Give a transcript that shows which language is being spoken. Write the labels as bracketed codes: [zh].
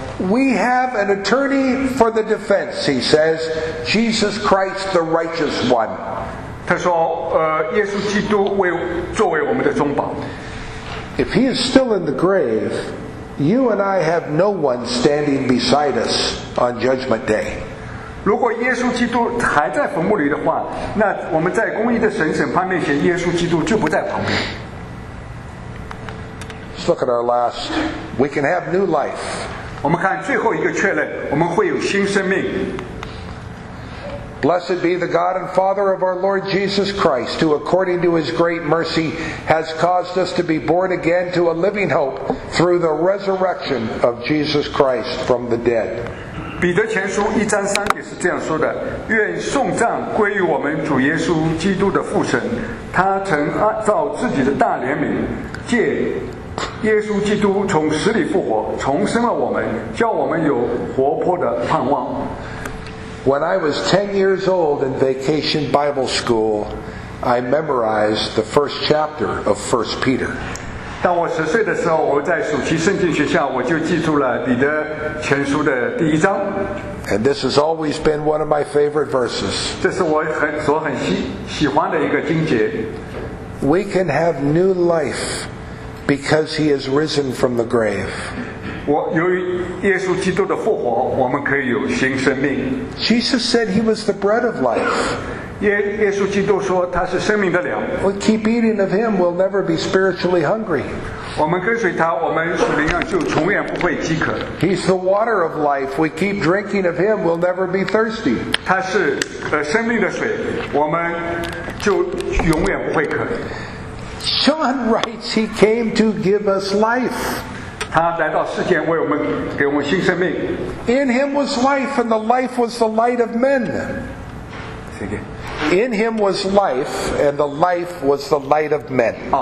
[en] We have an attorney for the defense, he says, Jesus Christ the righteous one. [zh] 他说耶稣基督作为我们的中保。 [en] If he is still in the grave, you and I have no one standing beside us on judgment day. [zh] 如果耶稣基督还在坟墓里的话，那我们在公义的神审判面前，耶稣基督就不在旁边。 [en] Let's look at our last. We can have new life. [zh] 我们看最后一个确认，我们会有新生命。 [en] Blessed be the God and Father of our Lord Jesus Christ, who according to his great mercy has caused us to be born again to a living hope through the resurrection of Jesus Christ from the dead. [zh] 彼得前书一章三节是这样说的：愿颂赞归于我们主耶稣基督的父神，他曾按照自己的大怜悯，借耶稣基督从死里复活，重生了我们，叫我们有活泼的盼望。 [en] When I was 10 years old in vacation Bible school, I memorized the first chapter of 1 Peter. [zh] 当我十岁的时候，我在暑期圣经学校，我就记住了彼得前书的第一章。 [en] And this has always been one of my favorite verses. [zh] 这是我很喜欢的一个经节。 [en] We can have new life because he is risen from the grave. [zh] 由于耶稣基督的复活，我们可以有新生命。 [en] Jesus said he was the bread of life. [zh] 耶稣基督说他是生命的粮。 [en] We keep eating of him, we'll never be spiritually hungry. [zh] 我们跟随他，我们属灵上就永远不会饥渴。 [en] He's the water of life. We keep drinking of him, we'll never be thirsty. [zh] 他是生命的水，我们就永远不会渴。 [en] John writes, he came to give us life. [zh] 他来到世间为我们给我们新生命。 [en] In him was life, and the life was the light of men. Thank you. In him was life, and the life was the light of men.